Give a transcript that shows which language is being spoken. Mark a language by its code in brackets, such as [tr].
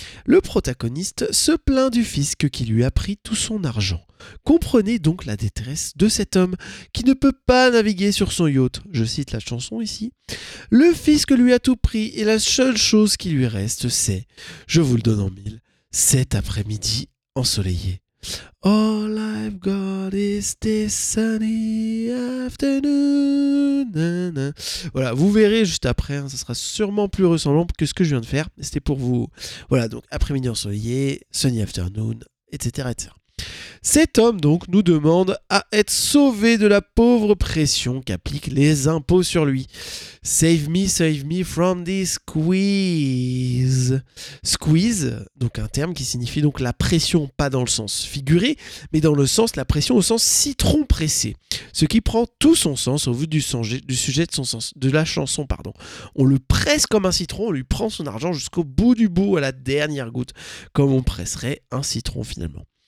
[fr] Le protagoniste se plaint du fisc qui lui a pris tout son argent. Comprenez donc la détresse de cet homme qui ne peut pas naviguer sur son yacht. Je cite la chanson ici. Le fisc lui a tout pris et la seule chose qui lui reste, c'est, je vous le donne en mille, cet après-midi ensoleillé. [en] All I've got is this sunny afternoon. [fr] Voilà, vous verrez juste après, ça sera sûrement plus ressemblant que ce que je viens de faire. C'était pour vous. Voilà, donc après-midi ensoleillé, [en] sunny afternoon, [fr] etc., etc. Cet homme donc nous demande à être sauvé de la pauvre pression qu'appliquent les impôts sur lui. [en] Save me from this squeeze. [fr] Squeeze, donc un terme qui signifie donc la pression, pas dans le sens figuré, mais dans le sens, la pression au sens citron pressé. Ce qui prend tout son sens au vu du sujet de la chanson. On le presse comme un citron, on lui prend son argent jusqu'au bout, à la dernière goutte, comme on presserait un citron finalement.